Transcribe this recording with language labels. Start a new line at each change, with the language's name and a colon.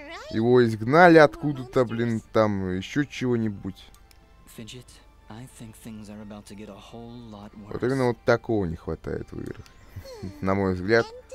Russian: Его изгнали откуда-то, блин, там еще чего-нибудь.
English: I think things are about to get a whole lot worse.
Russian: Вот именно вот такого не хватает в играх, на мой взгляд.